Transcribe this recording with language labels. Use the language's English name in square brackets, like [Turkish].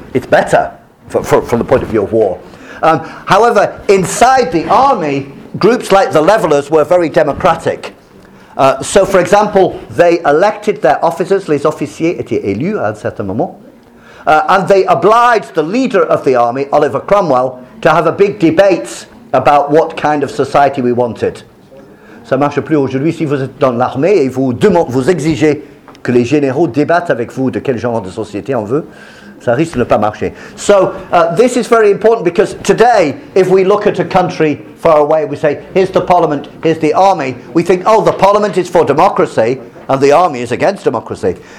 [English] It's better from the point of view of war. However, inside the army, groups like the levellers were very democratic. So, for example, they elected their officers, [French] les officiers étaient élus à un certain moment, [English] and they obliged the leader of the army, Oliver Cromwell, to have a big debate about what kind of society we wanted. [French] Ça marche plus aujourd'hui si vous êtes dans l'armée et vous exigez que les généraux débattent avec vous de quel genre de société on veut. So he's le pain marché. [English] So this is very important, because today, if we look at a country far away, we say, here's the parliament, here's the army. We think, oh, the parliament is for democracy and the army is against democracy.